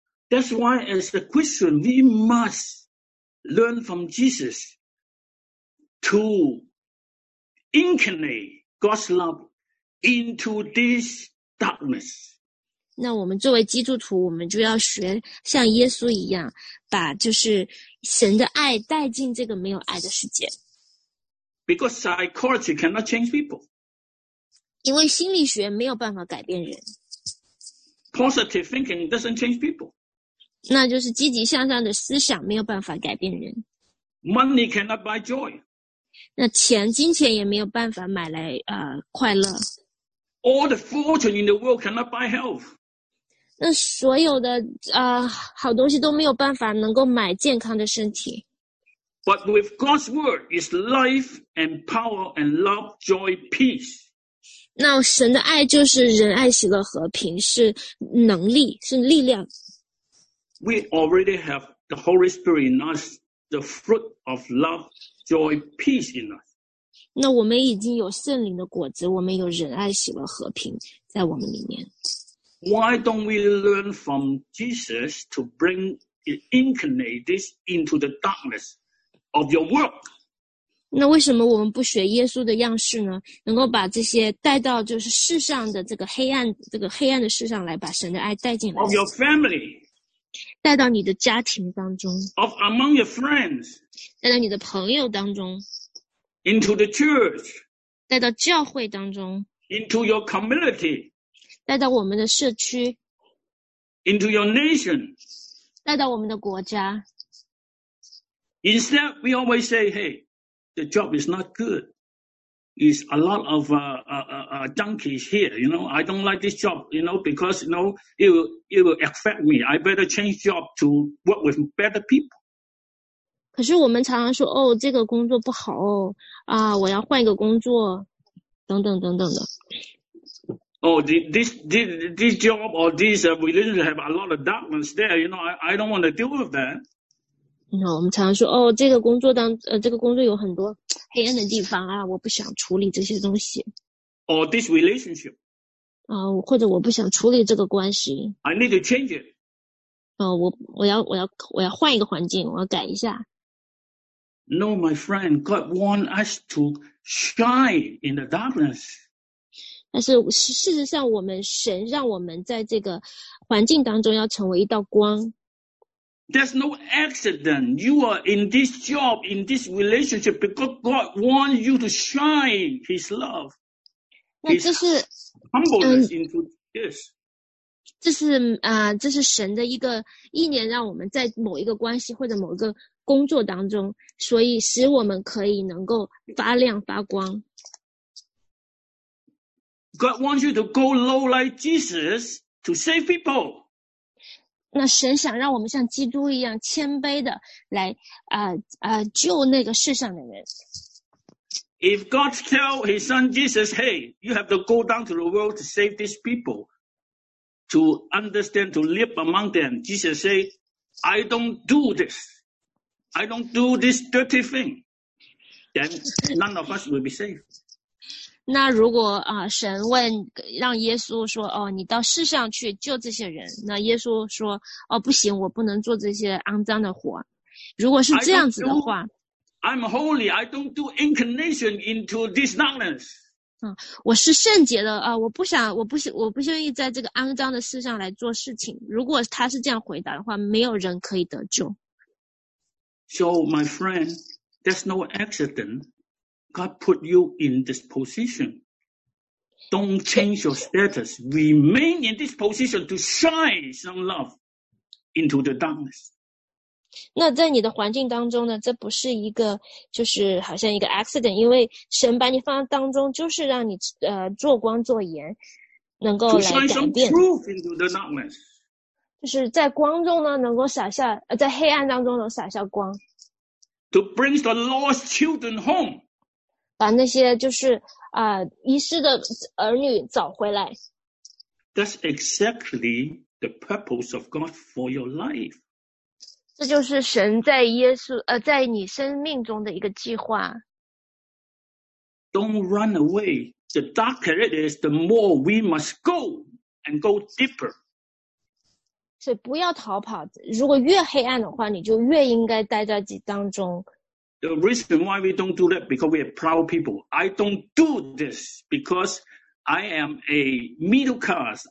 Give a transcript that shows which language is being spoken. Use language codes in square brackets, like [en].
[en] That's why as a Christian, we must learn from Jesus to incarnate God's love into this darkness. [zh] 那我们作为基督徒，我们就要学像耶稣一样，把就是神的爱带进这个没有爱的世界。 [en] Because psychology cannot change people. [zh] 因为心理学没有办法改变人。 [en] Positive thinking doesn't change people. [zh] 那就是积极向上的思想没有办法改变人。 [en] Money cannot buy joy. [zh] 那钱金钱也没有办法买来快乐。 [en] All the fortune in the world cannot buy health. [zh] 那所有的好东西都没有办法能够买健康的身体。 [en] But with God's word is life and power and love, joy, peace. [zh] 那神的爱就是仁爱喜乐和平，是能力，是力量。 [en] We already have the Holy Spirit in us, the fruit of love, joy, peace in us. [zh] 那我们已经有圣灵的果子，我们有仁爱、喜乐、和平在我们里面。 [en] Why don't we learn from Jesus to bring incarnate this into the darkness of your world? [zh] 那为什么我们不学耶稣的样式呢？能够把这些带到就是世上的这个黑暗的世上来，把神的爱带进来。 [en] Of your family. [zh] 带到你的家庭当中 [en] of among your friends, [zh] 带到你的朋友当中 [en] into the church, [zh] 带到教会当中 [en] into your community, [zh] 带到我们的社区 [en] into your nation, [zh] 带到我们的国家 [en] Instead, we always say, hey, the job is not good. It's a lot of junkies here, you know. I don't like this job, you know, because, you know, it will affect me. I better change job to work with better people. [zh] 可是我们常常说，哦，这个工作不好哦，我要换一个工作，等等等等的。 [en] Oh, this job or this relationship have a lot of darkness there, you know. I don't want to deal with that. [zh] No, 我们常常说，哦，这个工作有很多黑暗的地方啊，我不想处理这些东西。 [en] Or this relationship. [zh] 或者我不想处理这个关系。 [en] I need to change it. [zh] 我要换一个环境，我要改一下。 [en] No, my friend, God wants us to shine in the darkness. [zh] 但是事实上，我们神让我们在这个环境当中要成为一道光。 [en] There's no accident. You are in this job, in this relationship, because God wants you to shine His love. His humbleness into this. [zh] 这是神的一个意念，让我们在某一个关系或者某一个工作当中，所以使我们可以能够发亮发光。 [en] God wants you to go low like Jesus to save people. [zh] 那神想让我们像基督一样谦卑的来救那个世上的人。 [en] If God tell His Son Jesus, "Hey, you have to go down to the world to save these people, to understand, to live among them," Jesus say, "I don't do this. I don't do this dirty thing." Then none of us will be saved. [zh] 那如果神问让耶稣说哦，你到世上去救这些人，那耶稣说哦，不行，我不能做这些肮脏的活。如果是这样子的话 [en] ，I'm holy. I don't do incarnation into this darkness. [zh] 我是圣洁的我不愿意在这个肮脏的世上来做事情。如果他是这样回答的话，没有人可以得救。 [en] So my friend, there's no accident. God put you in this position. Don't change your status. Remain in this position to shine some love into the darkness. [zh] 那在你的环境当中呢，这不是一个就是好像一个 accident, 因为神把你放在当中就是让你做光做盐能够来改变。 [en] To shine some truth into the darkness. [zh] 就是在光中呢能够洒下在黑暗当中能洒下光。 [en] To bring the lost children home. [zh] 把那些就是遗失的儿女找回来。 [en] That's exactly the purpose of God for your life. [zh] 这就是神在耶稣在你生命中的一个计划。 [en] Don't run away. The darker it is, the more we must go and go deeper. [zh] 所以不要逃跑，如果越黑暗的话，你就越应该待在自己当中。 [en] The reason why we don't do that because we are proud people. I don't do this because I am a middle class.